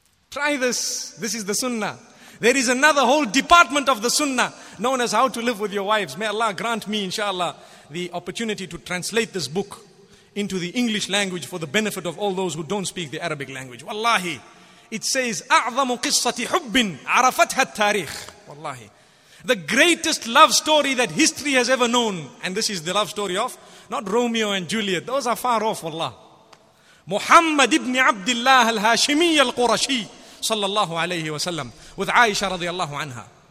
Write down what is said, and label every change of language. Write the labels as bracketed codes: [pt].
[en] Try this. This is the sunnah. There is another whole department of the sunnah known as how to live with your wives. May Allah grant me, inshallah, the opportunity to translate this book into the English language for the benefit of all those who don't speak the Arabic language. [ar] Wallahi, [en] it says, [ar] أَعْظَمُ قِصَّةِ حُبٍ عَرَفَتْهَا التَّارِيخ. [en] Wallahi, the greatest love story that history has ever known. And this is the love story of not Romeo and Juliet. Those are far off, wallah. Muhammad ibn Abdullah al-Hashimi al-Qurashi sallallahu alayhi wa sallam with Aisha radiallahu anha.